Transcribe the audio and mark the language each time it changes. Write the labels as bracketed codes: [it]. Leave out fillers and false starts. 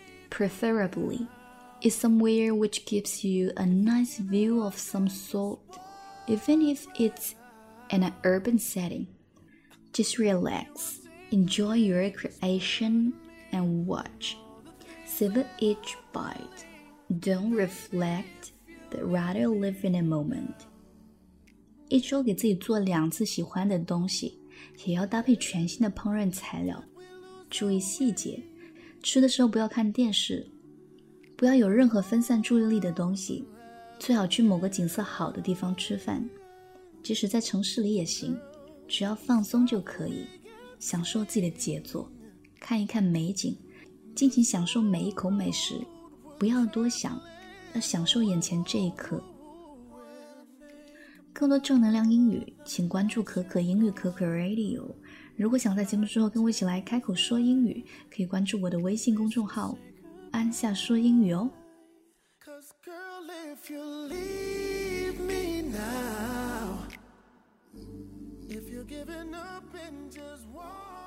[en] Preferably, eat somewhere which gives you a nice view of some sort, even if it'sIn an urban setting, just relax, enjoy your creation, and watch. Savor each bite. Don't reflect, but rather live in a moment. [zh] 一周给自己做两次喜欢的东西，也要搭配全新的烹饪材料。注意细节，吃的时候不要看电视，不要有任何分散注意力的东西，最好去某个景色好的地方吃饭。即使在城市里也行，只要放松就可以，享受自己的杰作，看一看美景，尽情享受每一口美食，不要多想，要享受眼前这一刻。更多正能量英语，请关注可可英语可可 Radio。如果想在节目之后跟我一起来开口说英语，可以关注我的微信公众号“安夏说英语”哦。 [en] Cause girl, if you leave me now, if you're giving up and just walk